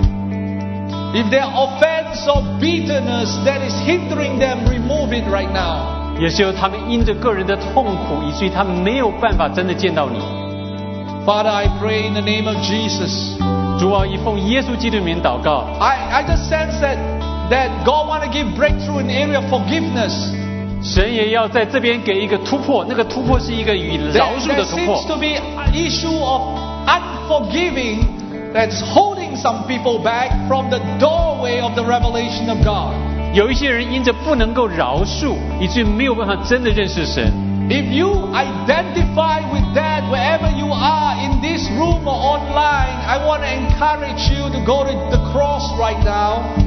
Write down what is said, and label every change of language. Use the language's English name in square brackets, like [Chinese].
[English] If there are offense or bitterness that is hindering them, remove it right now. [Chinese] 也是由他们因着个人的痛苦，以至于他们没有办法真的见到你。 [English] Father, I pray in the name of Jesus. [Chinese] 主啊，以奉耶稣基督的名祷告。 [English] I just sense that God want to give breakthrough in the area of forgiveness. [Chinese] 神也要在这边给一个突破，那个突破是一个与饶恕的突破。 [English] There seems to be an issue of unforgiving that's holding some people back from the doorway of the revelation of God. [Chinese] 有一些人因着不能够饶恕，以至于没有办法真的认识神。 [English] If you identify with that wherever you are in this room or online, I want to encourage you to go to the cross right now.